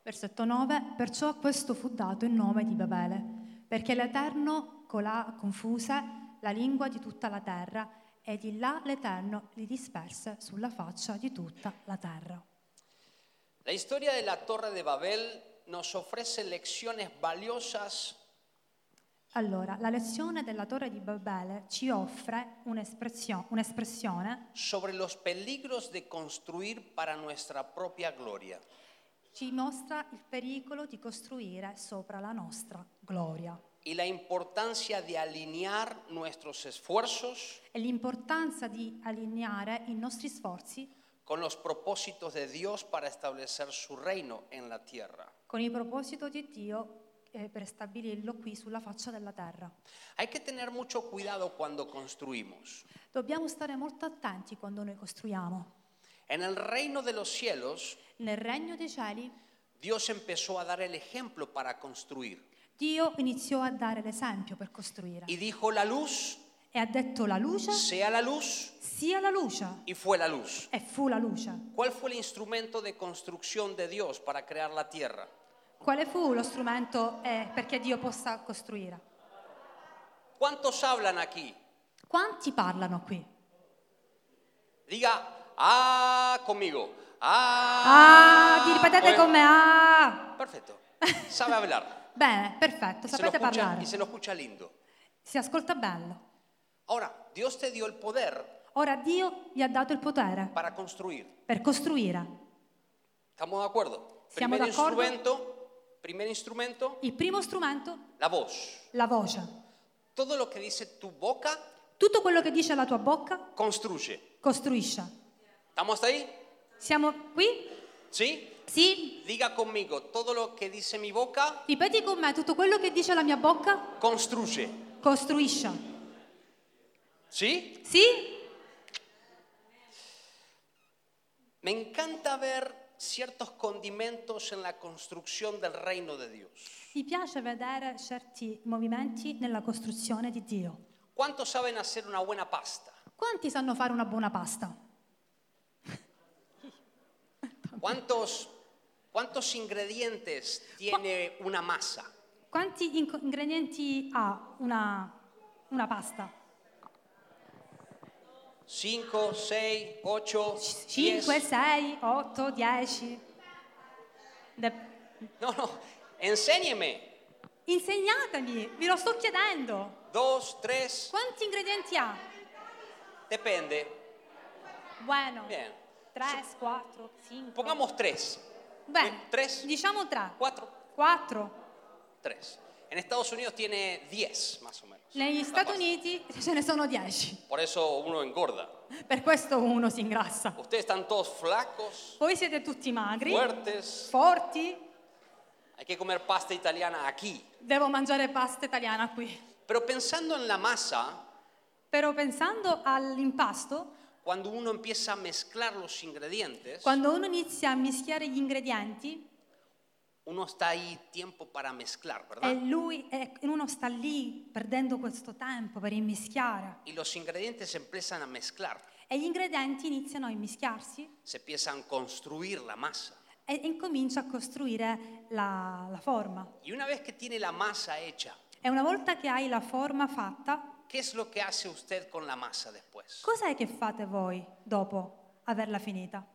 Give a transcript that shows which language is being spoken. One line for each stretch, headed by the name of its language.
Italian: Versetto 9: perciò questo fu dato il nome di Babele, perché l'Eterno colà confuse la lingua di tutta la terra e di là l'Eterno li disperse sulla faccia di tutta la terra.
Spanish: La storia della Torre di Babel nos ofrece lecciones valiosas.
Italian: Allora, la lezione della Torre di Babele ci offre un'espressione
Spanish: sobre los peligros de construir para nuestra propia gloria.
Italian: Ci mostra il pericolo di costruire sopra la nostra gloria.
Spanish: Y la importancia de alinear nuestros esfuerzos.
Italian: E l'importanza di allineare i nostri sforzi
Spanish: con los propósitos de Dios para establecer su reino en la tierra.
Italian: Con il proposito di Dio per stabilirlo qui sulla faccia della terra.
Spanish: Hay que tener mucho cuidado cuando construimos.
Italian: Dobbiamo stare molto attenti quando noi costruiamo.
Spanish: En el reino de los cielos.
Italian: Nel regno dei cieli.
Spanish: Dios empezó a dar el ejemplo para construir.
Italian: Dio iniziò a dare l'esempio per costruire.
Spanish: Y dijo la luz.
Italian: E ha detto la luce.
Spanish: Sea la luz.
Italian: Sia la luce.
Spanish: Y fue la luz.
Italian: E fu la luce.
Spanish: ¿Cuál fue el instrumento de construcción de Dios para crear la tierra?
Italian: Quale fu lo strumento perché Dio possa costruire?
Spanish: ¿Cuántos hablan aquí?
Italian: Quanti parlano qui?
Spanish: Diga conmigo.
Italian: Ripetete con me. Perfetto.
Spanish: Sabe hablar.
Italian: Bene, perfetto. Sapete parlare.
Spanish: Y se lo escucha lindo.
Italian: Si ascolta bello.
Spanish: Ahora, Dios te dio el poder.
Italian: Ora Dio gli ha dato il potere
Spanish: para construir.
Italian: Per costruire. Siamo d'accordo? Siamo d'accordo?
Spanish: Primer instrumento.
Italian: Il primo strumento. La voce. La voce.
Spanish: Todo lo que dice tu boca.
Italian: Tutto quello che dice la tua bocca. Costruisce. Costruisce.
Spanish: Estamos ahí?
Italian: Siamo qui? Sì. Sì.
Spanish: Diga conmigo todo lo que dice mi boca.
Italian: Ripeti con me tutto quello che dice la mia bocca. Costruisce. Costruisce. Sì. Sì.
Spanish: Me encanta ver ciertos condimentos en la construcción del reino de Dios.
Italian: Mi piace vedere certi movimenti nella costruzione di Dio.
Spanish: ¿Cuántos saben hacer una buena pasta?
Italian: Quanti sanno fare una buona pasta?
Spanish: ¿Cuántos ingredientes tiene una masa?
Italian: Quanti ingredienti ha una pasta?
Spanish: 5, 6, 8, 10.
Italian: 5, 6, 8, 10.
Spanish: No, enséñeme.
Italian: Insegnatemi, vi lo sto chiedendo.
Spanish: 2, 3.
Italian: Quanti ingredienti ha?
Spanish: Depende. Bueno. Bien. 3, 4, 5. Pongamos 3.
Italian: Bene. 3. Diciamo 3. 4. 4. 3.
Spanish: En Estados Unidos tiene 10, más o menos.
Italian: Negli Stati Uniti ce ne sono 10.
Spanish: Por eso uno engorda.
Italian: Per questo uno si ingrassa.
Spanish: Ustedes están todos flacos.
Italian: Voi siete tutti magri.
Spanish: Fuertes.
Italian: Forti.
Spanish: Hay que comer pasta italiana aquí.
Italian: Devo mangiare pasta italiana qui.
Spanish: Pero pensando en la masa.
Italian: Pero pensando all'impasto.
Spanish: Cuando uno empieza a mezclar los ingredientes.
Italian: Quando uno inizia a mischiare gli ingredienti.
Spanish: Uno está ahí tiempo para mezclar, ¿verdad?
Italian: Uno
Spanish: está
Italian: lì perdendo questo tempo per immischiare.
Spanish: Y los ingredientes empiezan a mezclar.
Italian: E gli ingredienti iniziano a immischiarsi.
Spanish: Se empiezan a construir la masa.
Italian: E incomincia a costruire la forma.
Spanish: Y una vez que tiene la masa hecha.
Italian: E una volta che hai la forma fatta.
Spanish: ¿Qué es lo que hace usted con la masa después?
Italian: Cos'è che fate voi dopo averla finita?